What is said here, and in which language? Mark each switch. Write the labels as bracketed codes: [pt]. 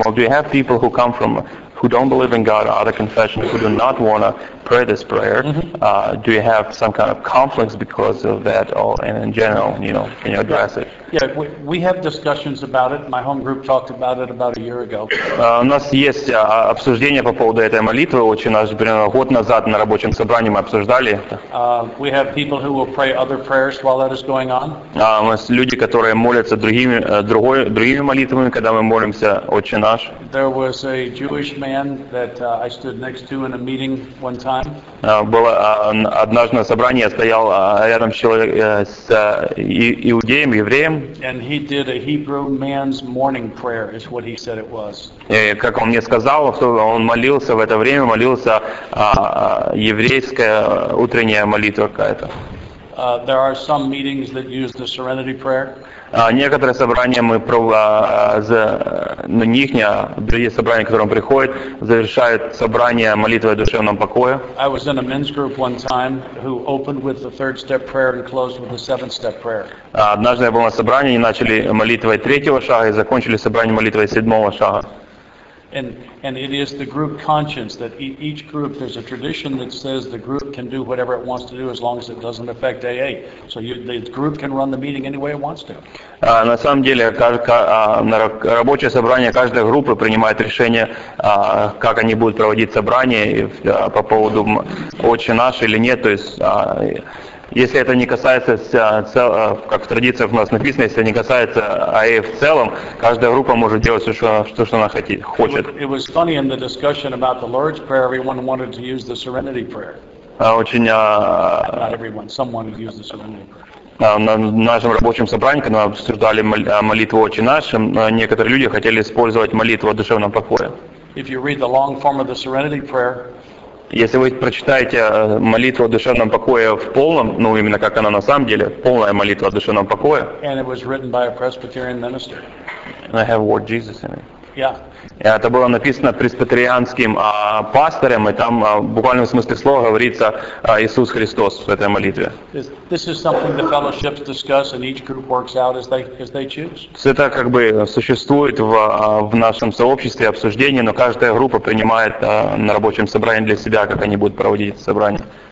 [en] Well, do you have people who come from, who don't believe in God, or other confessions, who do not want to pray this prayer? Mm-hmm. Do you have some kind of conflicts because of that, or and in general, you know, can you address it? Yeah, we have discussions about it. My home group talked about it about a year ago. [ru] У нас есть обсуждение по поводу этой молитвы. Очень наш примерно год назад на рабочем собрании мы обсуждали это. [en] We have people who will pray other prayers while that is going on. [ru] У нас люди, которые молятся другими молитвами, когда мы молимся «Отче наш». [en] There was a Jewish man that I stood next to in a meeting one time. [ru] Было однажды на собрании я стоял рядом с иудеем, евреем. [en] And he did a Hebrew man's morning prayer, is what he said it was. [ru] И как он мне сказал, что он молился в это время, молился еврейская утренняя молитва какая-то. [en] There are some meetings that use the Serenity Prayer. [ru] Некоторые собрания мы на них, другие собрания, к которым приходят, завершают собрание молитвой о душевном покое. [en] I was in a men's group one time who opened with the third step prayer and closed with the seventh step prayer. [ru] Однажды я был на собрании, они начали молитвой третьего шага и закончили собрание молитвой седьмого шага. [en] And it is the group conscience that each group, there's a tradition that says the group can do whatever it wants to do as long as it doesn't affect AA. So the group can run the meeting any way it wants to. [ru] На самом деле, на рабочее собрание каждая группа принимает решение, как они будут проводить собрание по поводу «Отче наш» или нет. То есть, если это не касается, как в традициях у нас написано, если не касается АЭ в целом, каждая группа может делать все, что она хочет. [en] It was funny in the discussion about the Lord's Prayer, everyone wanted to use the Serenity Prayer. Not everyone, someone used the Serenity Prayer. [ru] На нашем рабочем собрании, когда мы обсуждали молитву «Отче наш», некоторые люди хотели использовать молитву о душевном покое. [en] If you read the long form of the Serenity Prayer, [ru] если вы прочитаете молитву о душевном покое в полном, ну именно как она на самом деле, полная молитва о душевном покое, [en] and it was written by a Presbyterian minister. And I have word Jesus in it. Yeah. [ru] Это было написано пресбитерианским пастором, и там в буквальном смысле слова говорится Иисус Христос в этой молитве. [en] This is something the fellowships discuss, and each group works out as they choose. [ru] Это как бы существует в нашем сообществе обсуждение, но каждая группа принимает на рабочем собрании для себя, как они будут проводить это собрание.